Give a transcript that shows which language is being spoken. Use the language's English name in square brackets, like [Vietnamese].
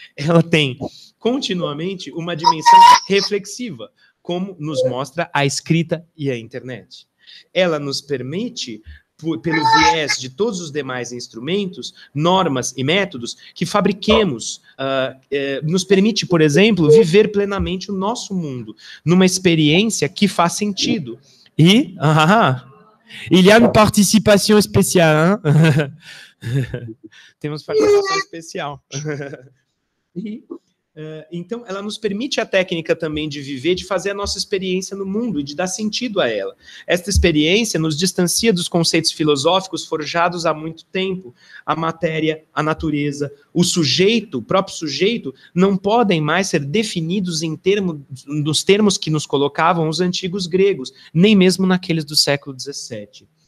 [Portuguese] Ela tem continuamente uma dimensão reflexiva, como nos mostra a escrita e a internet. Ela nos permite, pelo viés de todos os demais instrumentos, normas e métodos que fabriquemos, nos permite, por exemplo, viver plenamente o nosso mundo, numa experiência que faz sentido. [French] E, il y a une participation spéciale, hein? [Portuguese] Temos participação especial. Então, ela nos permite a técnica também de viver, de fazer a nossa experiência no mundo e de dar sentido a ela. Esta experiência nos distancia dos conceitos filosóficos forjados há muito tempo. A matéria, a natureza, o sujeito, o próprio sujeito, não podem mais ser definidos em termos, nos termos que nos colocavam os antigos gregos, nem mesmo naqueles do século XVII.